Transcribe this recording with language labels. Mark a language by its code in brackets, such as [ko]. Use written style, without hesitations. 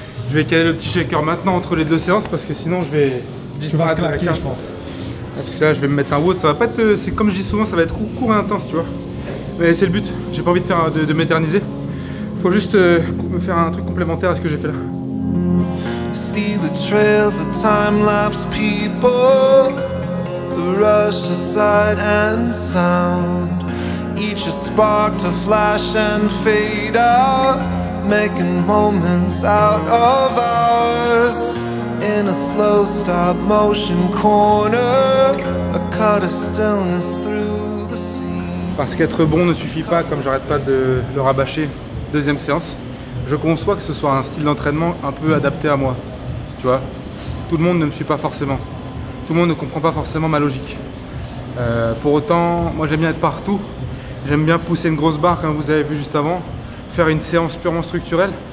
[fr] Je vais caler le petit shaker maintenant entre les deux séances parce que sinon je vais disparaître avec un, je pense. Parce que là je vais me mettre un wood, ça va pas être. C'est comme je dis souvent, ça va être court et intense, tu vois. Mais c'est le but, j'ai pas envie de faire de m'éterniser. Faut juste me faire un truc complémentaire à ce que j'ai fait là. [en] See the trails of time lapse people, the rush of sight and sound. Each a spark to flash and fade out, making moments out of hours. In a slow stop motion corner, a cut of stillness through the sea. [fr] Parce qu'être bon ne suffit pas, comme j'arrête pas de le rabâcher. Deuxième séance, je conçois que ce soit un style d'entraînement un peu adapté à moi. Tu vois, tout le monde ne me suit pas forcément. Tout le monde ne comprend pas forcément ma logique. Pour autant, moi j'aime bien être partout. J'aime bien pousser une grosse barre, comme vous avez vu juste avant, faire une séance purement structurelle.